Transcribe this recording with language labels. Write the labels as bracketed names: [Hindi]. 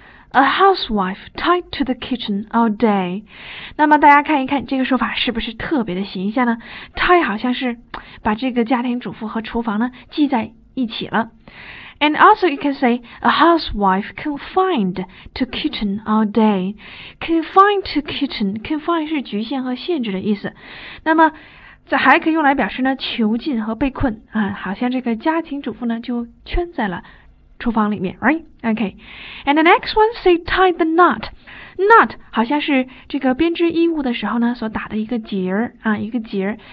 [English] A housewife tied to the kitchen all day. [Chinese] 那么大家看一看，这个说法是不是特别的形象呢？Tie 好像是把这个家庭主妇和厨房呢系在一起了。 [English] And also you can say a housewife confined to kitchen all day. [Chinese] Confined to kitchen, confined 是局限和限制的意思。那么这还可以用来表示呢囚禁和被困啊，好像这个家庭主妇呢就圈在了。厨房里面， [English] right? Okay. And the next one say tie the knot. [Chinese] Knot 好像是这个编织衣物的时候呢所打的一个结儿啊，一个结儿。